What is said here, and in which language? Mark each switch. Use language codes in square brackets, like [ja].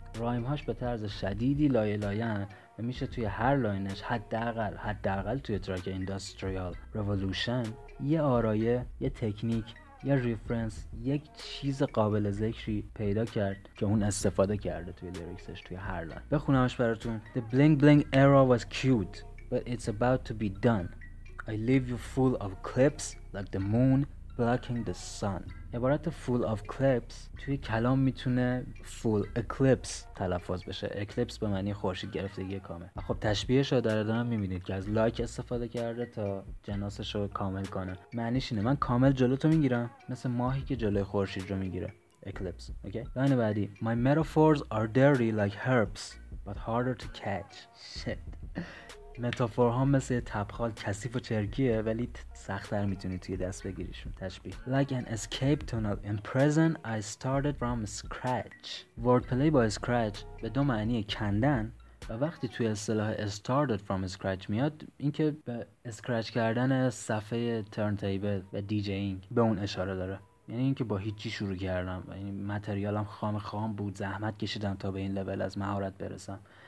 [fa] رایمهاش به طرز شدیدی لایه لاین و میشه توی هر لاینش حداقل توی ترک اندستریال ریولوشن یه آرایه، یه تکنیک، یه ریفرنس، یک چیز قابل ذکری پیدا کرد که اون استفاده کرده توی لیریکسش توی هر لاین. بخونمش براتون: [en] The bling bling era was cute, but it's about to be done. I leave you full of clips like the moon blocking the sun. [fa] عبارت [en] full of clips [fa] توی کلام میتونه [en] full eclipse [fa] تلفظ بشه. eclipse به معنی خورشید گرفتگی کامل. خب تشبیهش رو در ادامه میبینید که از like استفاده کرده تا جناسش رو کامل کنه. معنیش اینه من کامل جلوتو میگیرم، مثل ماهی که جلوی خورشید رو میگیره. eclipse. اوکی. لاین بعدی [en] my metaphors are dirty like herbs but harder to catch. shit. [fa] متافور ها مثل تبخال کثیف و چرکیه ولی سخت‌تر میتونی توی دست بگیریشون. تشبیه [en] like an escape tunnel in prison I started from scratch. [fa] Wordplay با scratch به دو معنی کندن و وقتی توی اصطلاح [en] started from scratch [fa] میاد اینکه به scratch کردن صفحه turntable و DJing به اون اشاره داره، یعنی اینکه با هیچی شروع کردم، یعنی متریالم خام بود، زحمت کشیدم تا به این لول از مهارت برسم.